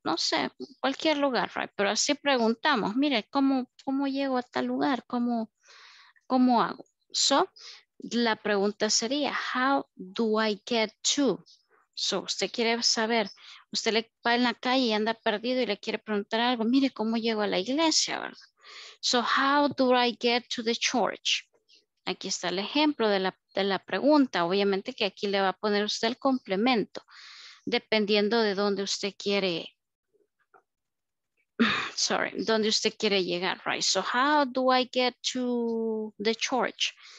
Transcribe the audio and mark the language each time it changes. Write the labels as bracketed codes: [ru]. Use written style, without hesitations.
[es] No sé, cualquier lugar, [en] right? [es] Pero así preguntamos, mire, ¿cómo llego a tal lugar? ¿Cómo hago? So, la pregunta sería, [en] how do I get to? [es] So, usted quiere saber, usted le va en la calle y anda perdido y le quiere preguntar algo, mire, ¿cómo llego a la iglesia, verdad? [en] So, how do I get to the church? [es] Aquí está el ejemplo de la pregunta. Obviamente que aquí le va a poner usted el complemento, dependiendo de dónde usted quiere, dónde usted quiere llegar, [en] right? So, how do I get to the church?